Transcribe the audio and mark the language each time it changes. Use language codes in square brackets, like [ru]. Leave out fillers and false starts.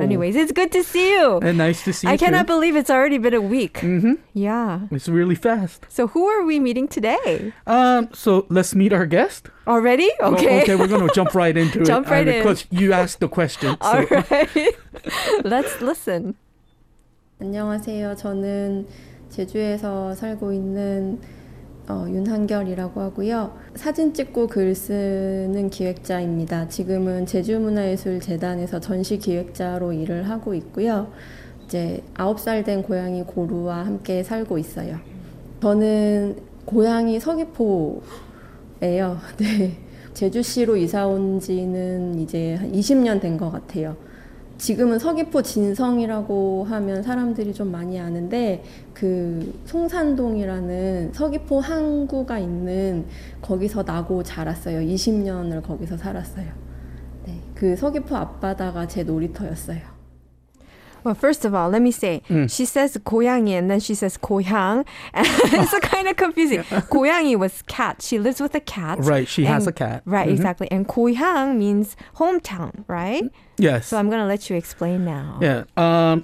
[en] Anyways, it's good to see you. And nice to see you. I cannot believe it's already been a week. Mm-hmm. Yeah. It's really fast. So who are we meeting today? So let's meet our guest. Already? Okay. Well, okay, we're going to jump right into it. Jump right in. Because you asked the question. All right. Let's listen. [ko] 안녕하세요. 저는 제주에서 살고 있는 윤한결이라고 하고요. 사진 찍고 글 쓰는 기획자입니다. 지금은 제주문화예술재단에서 전시 기획자로 일을 하고 있고요. 이제 9살 된 고양이 고루와 함께 살고 있어요. 저는 고양이 서귀포예요. 네. 제주시로 이사 온 지는 이제 한 20년 된 것 같아요. 지금은 서귀포 진성이라고 하면 사람들이 좀 많이 아는데 그 송산동이라는 서귀포 항구가 있는 거기서 나고 자랐어요. 20년을 거기서 살았어요. 네, 그 서귀포 앞바다가 제 놀이터였어요. [en] Well, first of all, let me say, she says 고양이 and then she says 고향. It's kind of confusing. 고양이 was cat. She lives with a cat. Right, she has a cat. Right, exactly. And 고향 means hometown, right? Yes. So I'm going to let you explain now. Yeah.